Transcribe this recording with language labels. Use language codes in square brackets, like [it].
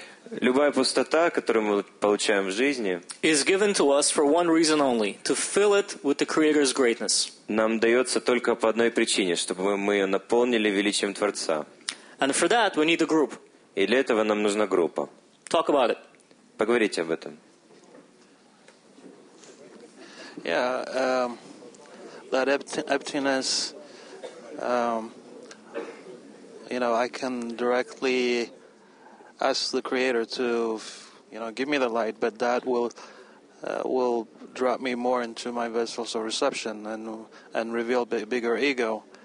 [ru] любая пустота, которую мы получаем в жизни, [en] is given to us for one reason only, to fill it with the Creator's greatness. [ru] Нам дается только по одной причине, чтобы мы ее наполнили величием Творца. [en] And for that we need a group. [ru] И для этого нам нужна группа. [en] Talk about it. [ru] Поговорите об этом. [en] Yeah, that emptiness, you know, I can directly ask the Creator to, you know, give me the light, but that will drop me more into my vessels of reception and reveal bigger ego.